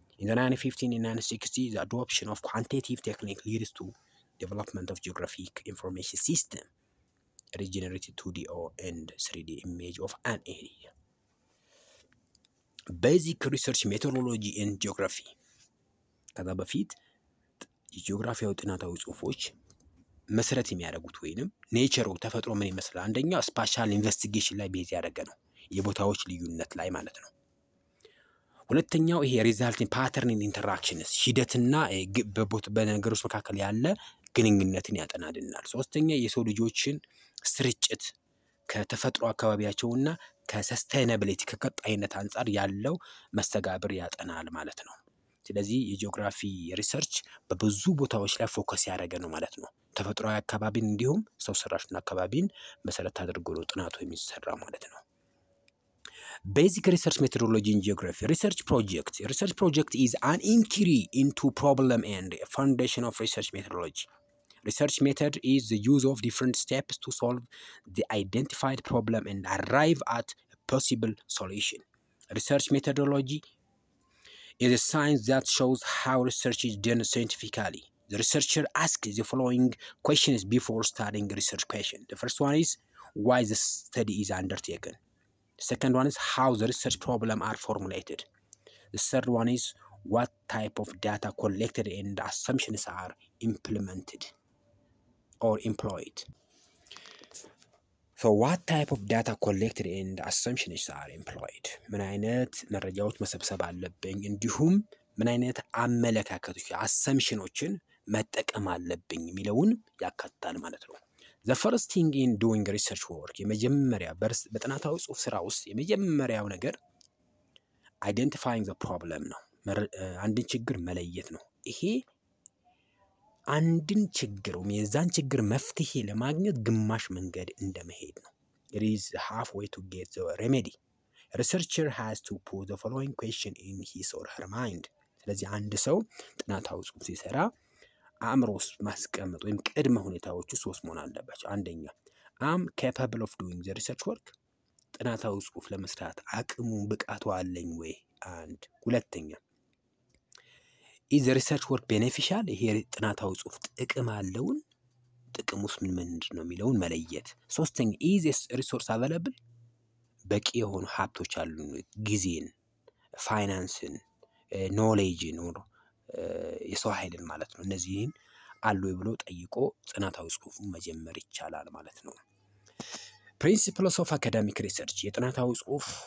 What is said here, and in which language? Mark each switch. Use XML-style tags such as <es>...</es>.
<en>In the 1950s and 1960s, the adoption of quantitative technique leads to development of geographic information system. It is generated 2D and 3D image of an area. Basic research methodology in geography. Kadabafit, geography utinata uiz ufoch.</en> <am>መሰረት የሚያደርጉት ወይንም ኔቸሩ ተፈጥሮ ምን ይመስላል አንደኛ ስፓሻል ኢንቨስቲጌሽን ላይ ቤዝ ያደረገ ነው. የቦታዎች ልዩነት ላይ ማለት ነው. ሁለተኛው ይሄ</am> <en>ሪዛልቲንግ ፓተርን ኢን ኢንተራክሽንስ</en> <am>ሂደትና በቦት በነገሮች መካከል ያለ ግንኙነትን ያጠናልናል. ሶስተኛ የሰው ልጆችን ስርጭት ከተፈጥሮ አካባቢያቸውና ከሰስተይነብሊቲ ከቀጣይነት አንጻር ያለው መስተጋብር ያጠናል ማለት ነው. ስለዚህ የጂኦግራፊ ሪሰርች በብዙ ቦታዎች ላይ ፎከስ ያደረገ ነው ማለት ነው. ተፈጥሯዊ አካባቢን እንዲሁም ሰው ሰራሽና አካባቢን መሰረት አድርጎ ጥናቱ የሚሰራ ማለት ነው.</am> <en>Basic research methodology in geography. Research project. Research project is an inquiry into problem and foundation of research methodology. Research method is the use of different steps to solve the identified problem and arrive at a possible solution. Research methodology is a science that shows how research is done scientifically. The researcher asks the following questions before starting a research question. The first one is why the study is undertaken. The second one is how the research problem are formulated. The third one is what type of data collected and assumptions are implemented or employed. So what type of data collected and assumptions are employed?</en> <am>ምናይነት መረጃዎች መሰብሰብ አለብኝ እንዲሁም ምናይነት አመለካከቶች አሰምሽኖችን መጠቀም አለብኝ የሚለውን ያካትታል ማለት ነው።</am> <en>The first thing in doing research work,</en> <am>የመጀመሪያ በጥናታዊ ጽሑፍ ስራ ውስጥ የመጀመሪያው ነገር</am> <en>identifying the problem</en> <am>ነው። አንድን ችግር መለየት ነው። ይሄ አንድን ችግር ወይዛን ችግር መፍትሄ ለማግኘት ግማሽ መንገድ እንደመሄድ ነው።</am> <en>It is halfway to get the remedy. A researcher has to put the following question in his or her mind.</en> <am>ስለዚህ አንድ ሰው ጥናታዊ ጽሑፍ ሲሰራ አምሮስ ማስቀመጥ ወይም ቅድመ ሁኔታዎቹ ሶስት መሆን አለባቸው። አንደኛ</am> <en>am capable of doing the research work.</en> <am>ጥናታዊ ጽሑፍ ለመስራት አቅሙ ብቃቱ አለኝ ወይ? አንድ ሁለተኛ</am> <en>is the research work beneficial?</en> <am>ይሄ ጥናታዊ ጽሑፍ ጥቅም አለውን? ጥቅሙስ ምን ምንድን ነው የሚለውን መለየት። ሶስተኛ</am> <en>is this resource available?</en> <am>በቂ የሆኑ ሀብቶች አሉ? ጊዜን፣ ፋይናንስን፣ ኖሌጅን ወይ የሰው ኃይልን ማለት ነው። እነዚህን አሉ ብሎ ጠይቆ ጥናታዊ ጽሑፉን መጀመር ይቻላል ማለት ነው።</am> <en>principles of academic research</en> <am>የጥናታዊ ጽሑፍ</am>